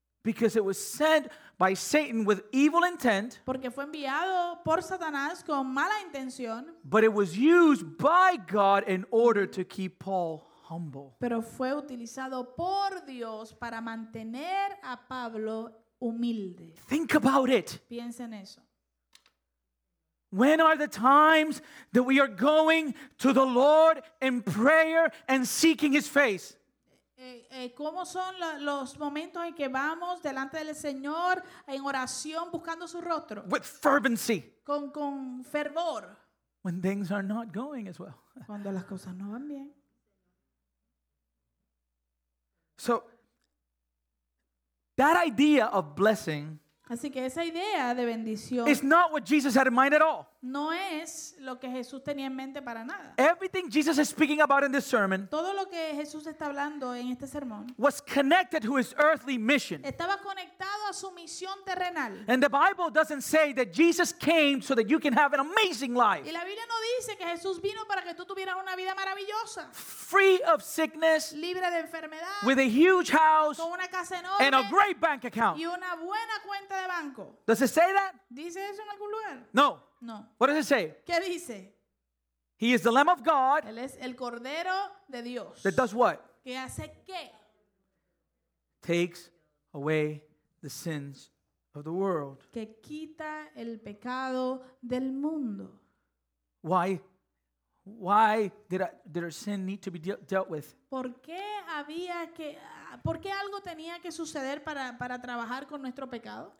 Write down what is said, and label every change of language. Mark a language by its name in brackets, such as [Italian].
[English] Because it was sent by Satan with evil intent. [Spanish] Porque fue enviado por Satanás con mala intención. [English] But it was used by God in order to keep Paul humble. [Spanish] Pero fue utilizado por Dios para mantener a Pablo humilde. [English] Think about it. [Spanish] Piensa en eso. [English] When are the times that we are going to the Lord in prayer and seeking His face? [Spanish] ¿Cómo son los momentos en que vamos delante del Señor en oración buscando su rostro? [English] With fervency. [Spanish] Con fervor. [English] When things are not going as well. [Spanish] Cuando las cosas no van bien. [English] So, that idea of blessing, [Spanish] así que esa idea de bendición, [English] is not what Jesus had in mind at all. [Spanish] No es lo que Jesús tenía en mente para nada. [English] Everything Jesus is speaking about in this sermon, [Spanish] todo lo que Jesús está hablando en este sermón, [English] was connected to his earthly mission. [Spanish] Estaba conectado a su misión terrenal. [English] And the Bible doesn't say that Jesus came so that you can have an amazing life. [Spanish] Y la Biblia no dice que Jesús vino para que tú tuvieras una vida maravillosa. [English] Free of sickness, [Spanish] libre de enfermedad, [English] with a huge house, [Spanish] con una casa enorme, [English] and a great bank account. [Spanish] Y una buena cuenta de banco. [English] Does it say that? [Spanish] ¿Dice eso en algún lugar? [English] No. [Spanish] No. [English] What does it say? [Spanish] ¿Qué dice? [English] He is the Lamb of God. [Spanish] Él es el Cordero de Dios. [English] That does what? [Spanish] ¿Qué hace qué? [English] Takes away the sins of the world. [Spanish] Que quita el pecado del mundo. [English] Why? Why did our sin need to be dealt with? [Spanish] ¿Por qué había que, por qué algo tenía que suceder para trabajar con nuestro pecado?